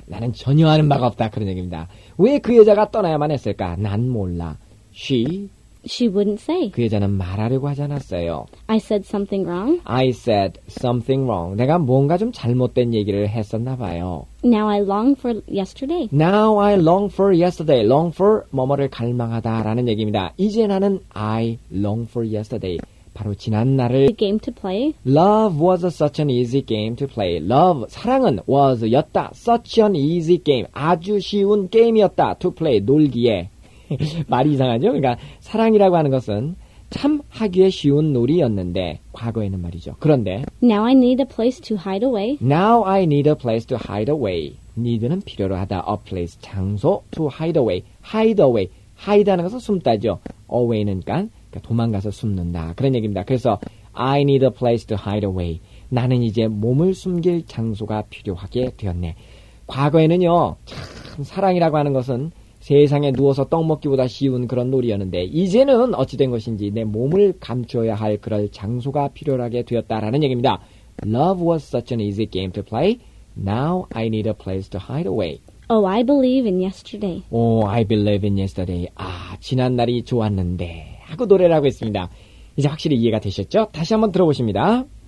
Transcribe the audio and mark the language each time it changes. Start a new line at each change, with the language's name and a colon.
Korean: 나는 전혀 아는 바가 없다. 그런 얘기입니다. 왜 그 여자가 떠나야만 했을까? 난 몰라.
English: She wouldn't say.
Korean: 그 여자는 말하려고 하지 않았어요.
English: I said something wrong. I said something wrong.
Korean: 내가 뭔가 좀 잘못된 얘기를 했었나 봐요.
English: Now I long for yesterday. Now I long for yesterday.
Korean: Long for 뭐뭐를 갈망하다라는 얘기입니다. 이제 나는
English: I long for yesterday.
Korean: 바로 지난 날을
English: A game to play. Love was such an easy game to play.
Korean: Love, 사랑은 was, 였다.
English: Such an easy game.
Korean: 아주 쉬운 게임이었다.
English: To play,
Korean: 놀기에. 말이 이상하죠? 그러니까 사랑이라고 하는 것은 참 하기에 쉬운 놀이였는데 과거에는 말이죠. 그런데
English: Now I need a place to hide away. Now I need a place to hide away.
Korean: Need는 필요로 하다.
English: A place, 장소. To hide away. Hide away.
Korean: Hide하는 것은 숨다죠. Away는 깐, 그러니까 도망가서 숨는다. 그런 얘기입니다.
English: 그래서 I need a place to hide away.
Korean: 나는 이제 몸을 숨길 장소가 필요하게 되었네. 과거에는요, 참 사랑이라고 하는 것은 세상에 누워서 떡 먹기보다 쉬운 그런 놀이였는데 이제는 어찌된 것인지 내 몸을 감추어야 할 그럴 장소가 필요하게 되었다라는 얘기입니다.
English: Love was such an easy game to play. Now I need a place to hide away. Oh, I believe in yesterday. Oh, I believe in yesterday.
Korean: 아, 지난날이 좋았는데 하고 노래를 하고 있습니다. 이제 확실히 이해가 되셨죠? 다시 한번 들어보십니다.